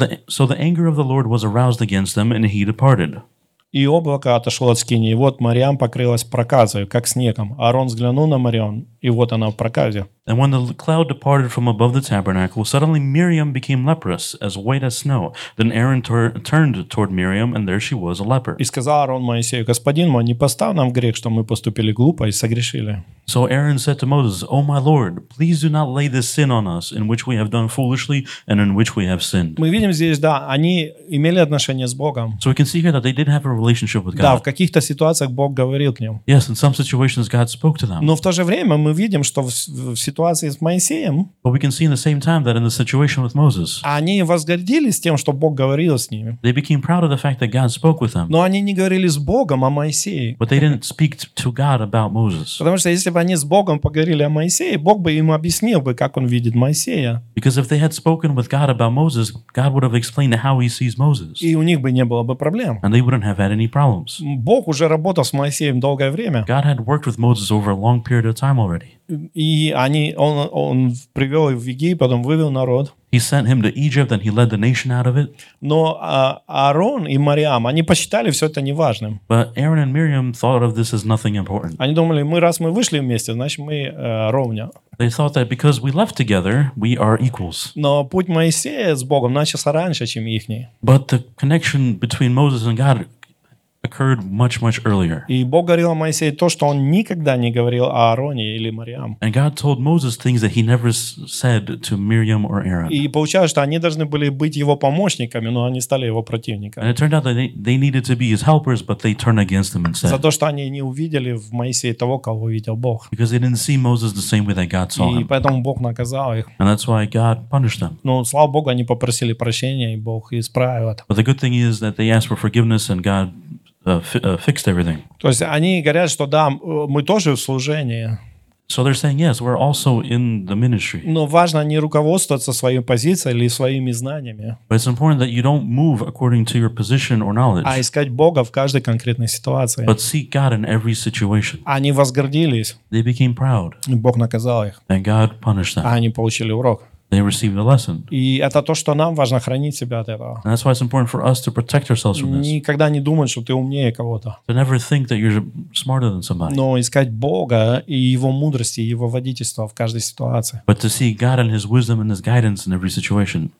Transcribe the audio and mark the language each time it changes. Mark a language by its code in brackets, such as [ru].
[en] So the anger of the Lord was aroused against them, and he departed. [ru] И облако отошло от скинии, и вот Мариам покрылась проказой, как снегом. Аарон взглянул на Мариам, и вот она в проказе. [en] And when the cloud departed from above the tabernacle, suddenly Miriam became leprous, as white as snow. Then Aaron turned toward Miriam, and there she was, a leper. [ru] И сказал Аарон Моисею, Господин мой, не поставь нам грех, что мы поступили глупо и согрешили. [en] So Aaron said to Moses, O my Lord, please do not lay this sin on us, in which we have done foolishly, and in which we have sinned. [ru] Мы видим здесь, да, они имели отношение с Богом. [en] So we can see here that they did have a relationship with God. [ru] Да, в каких-то ситуациях Бог говорил к ним. [en] Yes, in some situations God spoke to them. [ru] Но в то же время мы видим, что в ситуации с Моисеем. [en] But we can see in the same time that in the situation with Moses. [ru] Они возгордились тем, что Бог говорил с ними. [en] They became proud of the fact that God spoke with them. [ru] Но они не говорили с Богом о Моисее. [en] But they didn't speak to God about Moses. [ru] Потому что если бы они с Богом поговорили о Моисее, Бог бы им объяснил бы, как он видит Моисея. [en] Because if they had spoken with God about Moses, God would have explained how he sees Moses. [ru] И у них бы не было бы проблем. [en] And they wouldn't have had any problems. [ru] Бог уже работал с Моисеем долгое время. [en] God had worked with Moses over a long period of time already. [ru] И они, он привел их в Египет, потом вывел народ. [en] He sent him to Egypt and he led the nation out of it. [ru] Но Аарон и Мариам, они посчитали все это неважным. [en] But Aaron and Miriam thought of this as nothing important. [ru] Они думали, мы раз мы вышли вместе, значит мы ровня. [en] They thought that because we left together, we are equals. [ru] Но путь Моисея с Богом начался раньше, чем ихний. [en] But the connection between Moses and God occurred much, much earlier. [ru] И Бог говорил о Моисее то, что он никогда не говорил о Аароне или Мариам. [en] And God told Moses things that he never said to Miriam or Aaron. [ru] И получалось, что они должны были быть его помощниками, но они стали его противниками. [en] And it turned out that they needed to be his helpers, but they turned against him instead. [ru] За то, что они не увидели в Моисее того, кого видел Бог. [en] Because they didn't see Moses the same way that God saw him. [ru] И поэтому Бог наказал их. [en] And that's why God punished them. [ru] Но слава Богу, они попросили прощения, и Бог исправил это. [en] But the good thing is that they asked for forgiveness and God fixed everything. [ru] То есть они говорят, что да, мы тоже в служении. [en] So they're saying yes, we're also in the ministry. [ru] Но важно не руководствоваться своей позицией или своими знаниями. [en] But it's important that you don't move according to your position or knowledge. [ru] А искать Бога в каждой конкретной ситуации. [en] But seek God in every situation. [ru] Они возгордились. [en] They became proud. [ru] И Бог наказал их. [en] And God punished them. [ru] А они получили урок. [en] They received a lesson. [ru] И это то, что нам важно хранить себя от этого. [en] And that's why it's important for us to protect ourselves from this. [ru] Никогда не думать, что ты умнее кого-то. [en] To never think that you're smarter than somebody. [ru] Но искать Бога и Его мудрости, и Его водительства в каждой ситуации. [en] But to see God and His wisdom and His guidance in every situation.